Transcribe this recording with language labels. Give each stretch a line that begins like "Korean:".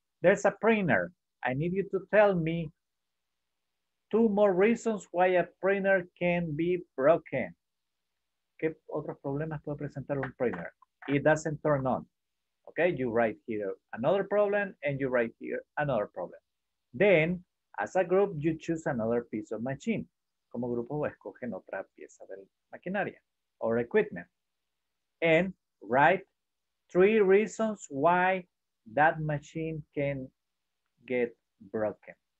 English: There's a printer. I need you to tell me 2 more reasons why a printer can be broken.
Spanish: ¿Qué otros problemas puede presentar un printer?
English: It doesn't turn on. Okay, you write here another problem and you write here another problem. Then, as a group, you choose another piece of machine.
Spanish: Como grupo, escogen otra pieza de maquinaria
English: or equipment. And write 3 reasons why that machine can get broken.